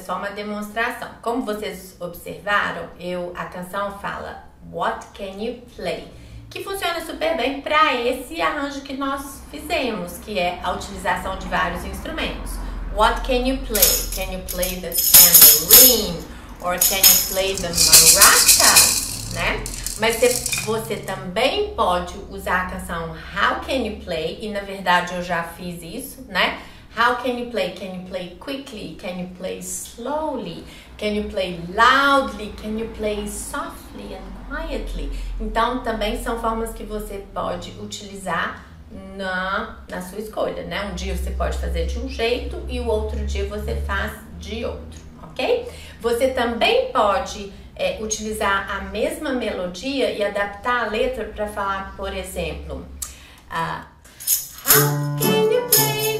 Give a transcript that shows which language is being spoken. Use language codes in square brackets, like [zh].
[pt] Demonstração. Como vocês observaram, a canção fala What Can You Play? Que funciona super bem para esse arranjo que nós fizemos, que é a utilização de vários instrumentos. [en] What can you play? Can you play the tambourine? Or can you play the maracas? Né? [pt] Mas você também pode usar a canção How Can You Play? E na verdade eu já fiz isso, né? [en] How can you play? Can you play quickly? Can you play slowly? Can you play loudly? Can you play softly and quietly? [pt] Então, também são formas que você pode utilizar na sua escolha, né? Um dia você pode fazer de um jeito e o outro dia você faz de outro, ok? Você também pode utilizar a mesma melodia e adaptar a letra para falar, por exemplo, [en] How can you play?